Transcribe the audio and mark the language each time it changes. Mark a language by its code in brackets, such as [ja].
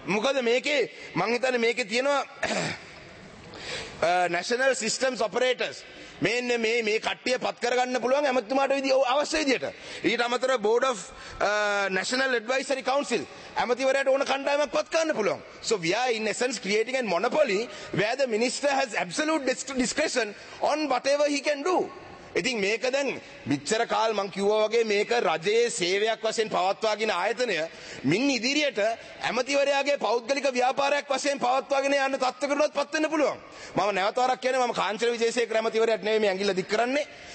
[si] මොකද මේකේ මං හිතන්නේ මේකේ තියෙනවා National Systems Operators මේන්න මේ කට්ටිය පත් කරගන්න පුළුවන් ඇමතිතුමාට අවශ්‍ය විදියට. ඊට අමතරව Board of National Advisory Council ඇමතිවරයාට ඕන කණ්ඩායමක් පත් කරන්න පුළුවන්. [en] So we are in essence creating a monopoly where the minister has absolute discretion on whatever he can do. [si] ඉතින් මේක දැන් මෙච්චර කාල මං කිව්වා වගේ මේක රජයේ සේවයක් වශයෙන් පවත්වාගෙන ආයතනය මින් ඉදිරියට ඇමතිවරයාගේ පෞද්ගලික ව්‍යාපාරයක් වශයෙන් පවත්වාගෙන යන තත්ත්වකටවත් පත් වෙන්න පුළුවන් මම නැවත වරක් කියන්නේ මම කාන්චන විජේසේකර ඇමතිවරයාට නෙවෙයි මේ ඇඟිල්ල දික් කරන්නේ